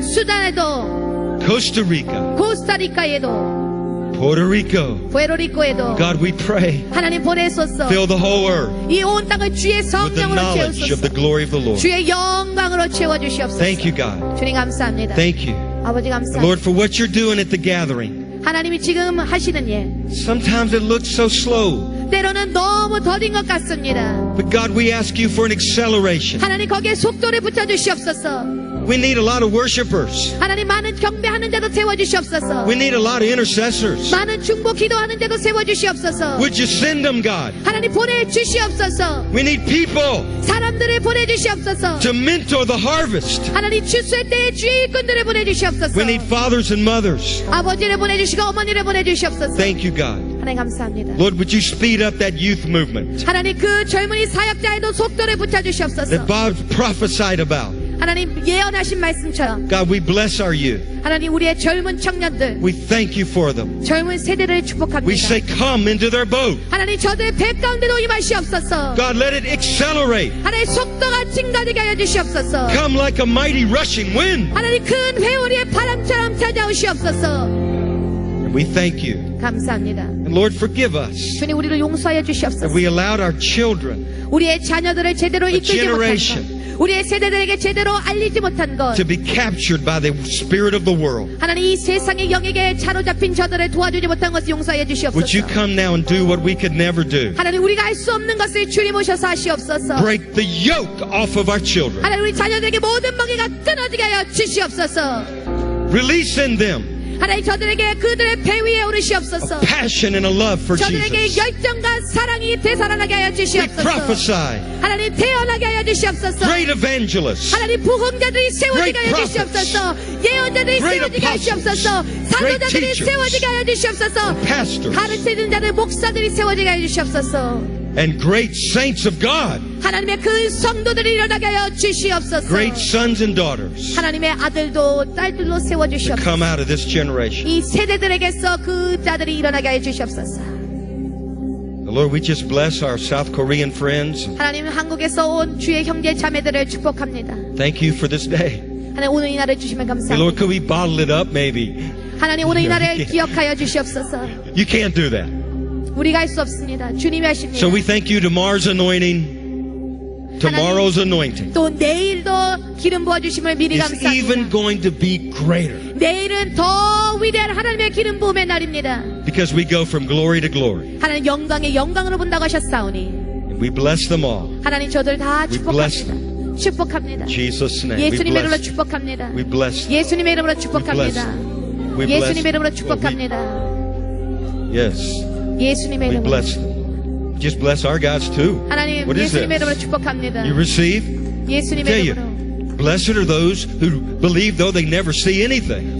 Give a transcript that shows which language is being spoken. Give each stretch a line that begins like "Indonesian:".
Korean: 수단에도
English: Costa Rica,
Korean: 코스타리카에도
English: Puerto Rico,
Korean: 푸에르토리코에도
English: God we pray
Korean: 하나님 보내소서
English: fill the whole earth
Korean: 이 온 땅을 주의 성령으로
English: with the knowledge
Korean: 채우소서
English: of the glory of the Lord.
Korean: 주의 영광으로 채워주시옵소서
English: Thank you, God.
Korean: 주님 감사합니다
English: Thank you.
Korean: 아버지 감사합니다
English: Lord for what you're doing at the gathering
Korean: 하나님이 지금 하시는 일
English: Sometimes it looks so slow
Korean: 때로는 너무 더딘 것 같습니다.
English: But God, we ask you for an acceleration.
Korean: 하나님 거기에 속도를 붙여주시옵소서.
English: We need a lot of worshipers.
Korean: 하나님 많은 경배하는 자도 세워주시옵소서.
English: We need a lot of intercessors.
Korean: 많은 중보 기도하는 자도 세워주시옵소서.
English: Would you send them, God?
Korean: 하나님 보내주시옵소서.
English: We need people.
Korean: 사람들을 보내주시옵소서.
English: To mentor the harvest.
Korean: 하나님 추수할 때의 주인꾼들을 보내주시옵소서.
English: We need fathers and mothers.
Korean: 아버지를 보내주시고 어머니를 보내주시옵소서.
English: Thank you, God.
Korean: 하나님 감사합니다.
English: Lord, would you speed up that youth movement?
Korean: 하나님 그 젊은이 사역자에도 속도를 붙여주시옵소서.
English: That Bob prophesied about.
Korean: 하나님 예언하신 말씀처럼
English: God, we bless our youth.
Korean: 하나님 우리의 젊은 청년들
English: We thank you for them.
Korean: 젊은 세대를 축복합니다.
English: We say come into their boat.
Korean: 하나님 저들의 배 가운데도 임하시옵소서.
English: God, let it accelerate.
Korean: 하나님 속도가 증가되게 하여 주시옵소서.
English: Come like a mighty rushing wind.
Korean: 하나님 큰 회오리의 바람처럼 찾아오시옵소서.
English: We thank you.
Korean: 감사합니다.
English: And Lord, forgive us.
Korean: 주님 우리를 용서하여 주시옵소서.
English: That we allowed our children.
Korean: 우리의 자녀들을 제대로 이끌지 못한 것. 우리의 세대들에게 제대로 알리지 못한 것.
English: To be captured by the spirit of the world.
Korean: 하나님 이 세상의 영에게 사로잡힌 저들을 도와주지 못한 것을 용서하여 주시옵소서.
English: Would you come now and do what we could never do?
Korean: 하나님 우리가 할 수 없는 것을 주님 오셔서 하시옵소서.
English: Break the yoke off of our children.
Korean: 하나님 우리 자녀들에게 모든 멍에가 끊어지게 하여 주시옵소서.
English: Release in them.
Korean: 하나님 저들에게 그들의 배 위에 오르시옵소서.
English: A passion and a love for Jesus.
Korean: 저들에게 열정과 사랑이 되살아나게 하여 주시옵소서.
English: We prophesy.
Korean: 하나님 태어나게 하여 주시옵소서.
English: Great evangelists.
Korean: 하나님 부흥자들이 세워지게 하여 주시옵소서. 예언자들이 세워지게 하여 주시옵소서. 사도자들이 세워지게 하여 주시옵소서.
English: Pastors.
Korean: 가르치는 자들 목사들이 세워지게 하여 주시옵소서.
English: And great saints of God.
Korean: 하나님의 그 성도들이 일어나게 하여 주시옵소서.
English: Great sons and daughters.
Korean: 하나님의 아들도 딸들로 세워 주시옵소서.
English: To come out of this generation.
Korean: 이 세대들에게서 그 자들이 일어나게 하여 주시옵소서.
English: Lord, we just bless our South Korean friends.
Korean: 하나님 한국에서 온 주의 형제 자매들을 축복합니다.
English: Thank you for this day.
Korean: 하나님 오늘 이 날을 주시면 감사합니다.
English: Lord, could we bottle it up, maybe?
Korean: 하나님 오늘 이 날을 기억하여 주시옵소서.
English: You can't do that.
Korean: 우리가 할 수 없습니다. 주님이 하십니다.
English: So we thank you tomorrow's anointing. Tomorrow's anointing.
Korean: 또 내일도 기름 부어 주심을 미리 감사합니다.
English: It's even going to be greater.
Korean: 내일은 더 위대한 하나님의 기름 부음의 날입니다.
English: Because we go from glory to glory.
Korean: 하나님 영광의 영광으로 본다고 하셨사오니.
English: And we bless them all.
Korean: 하나님 저들 다 축복합니다.
English: We bless them.
Korean: 축복합니다.
English: Jesus name.
Korean: 예수님의 이름으로 축복합니다.
English: We bless.
Korean: 예수님의 이름으로 축복합니다.
English: We bless.
Korean: 예수님의 이름으로 축복합니다.
English: Yes.
Korean: 예수님의
English: we
Korean: 이름으로.
English: Bless them. Just bless our guys too.
Korean: 하나님,
English: what is
Korean: 예수님의 이름으로 축복합니다.
English: You receive.
Korean: 예수님의
English: tell
Korean: 이름으로.
English: You. Blessed are those who believe though they never see anything.